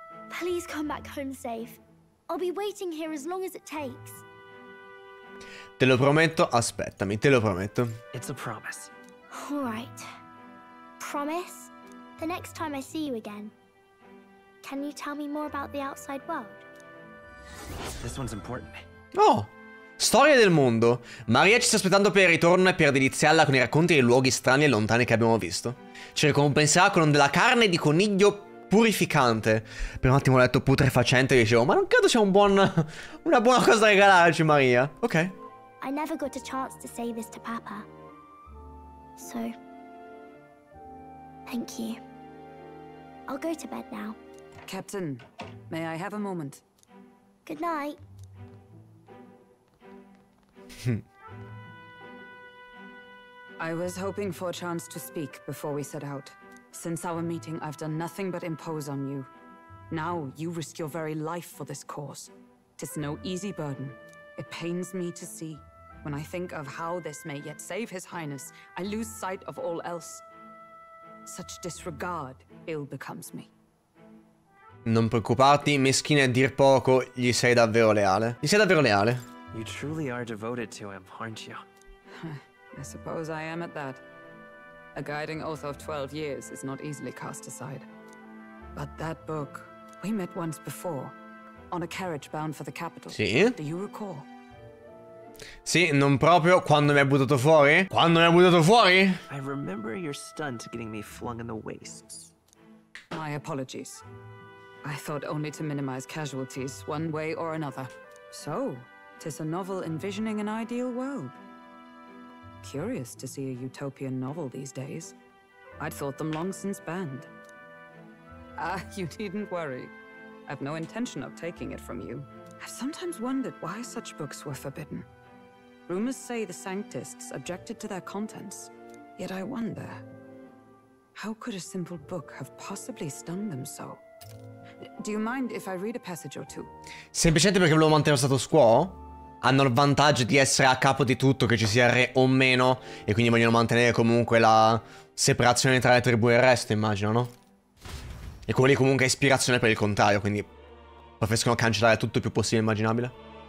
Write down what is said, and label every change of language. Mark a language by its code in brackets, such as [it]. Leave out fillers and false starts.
[en] Please come back home safe. I'll be waiting here as long as it takes. [it] Te lo prometto, aspettami, te lo prometto. [en] It's a promise. All right. Promise? The next time I see you again, can you tell me more about the outside world? This one's important. [it] Oh! Storia del mondo. Maria ci sta aspettando per il ritorno e per deliziarla con i racconti dei luoghi strani e lontani che abbiamo visto. Ci ricompenserà con della carne di coniglio purificante. Per un attimo ho letto putrefacente e dicevo, ma non credo sia una buona cosa da regalarci, Maria. Ok. [en] I never got a chance to say this to Papa. So, thank you. I'll go to bed now. Captain, may I have a moment? Good night. I was hoping for a chance to speak before we set out. Since our meeting, I've done nothing but impose on you. Now you risk your very life for this cause. 'Tis no easy burden. It pains me to see. When I think of how this may yet save His Highness, I lose sight of all else. Such disregard ill becomes me. [it] Non preoccuparti, meschina, a dir poco, gli sei davvero leale. Gli sei davvero leale. [en] You truly are devoted to him, aren't you? I suppose I am at that. A guiding oath of 12 years is not easily cast aside. But that book, we met once before, on a carriage bound for the capital. [it] Sì. [en] Do you recall? [it] Sì, non proprio. Quando mi ha buttato fuori? Quando mi ha buttato fuori? [en] I remember your stunt getting me flung in the wastes. My apologies. I thought only to minimize casualties, one way or another. So, 'tis a novel envisioning an ideal world. Curious to see a utopian novel these days. I'd thought them long since banned. Ah, you needn't worry. I've no intention of taking it from you. I've sometimes wondered why such books were forbidden. Rumors say the Sanctists objected to their contents. Yet I wonder, how could a simple book have possibly stung them so? Do you mind if I read a passage or two? [it] Semplicemente perché volevo mantenere lo status quo? Hanno il vantaggio di essere a capo di tutto, che ci sia re o meno, e quindi vogliono mantenere comunque la separazione tra le tribù e il resto, immagino, no? E quello lì comunque è ispirazione per il contrario, quindi preferiscono cancellare tutto il più possibile immaginabile.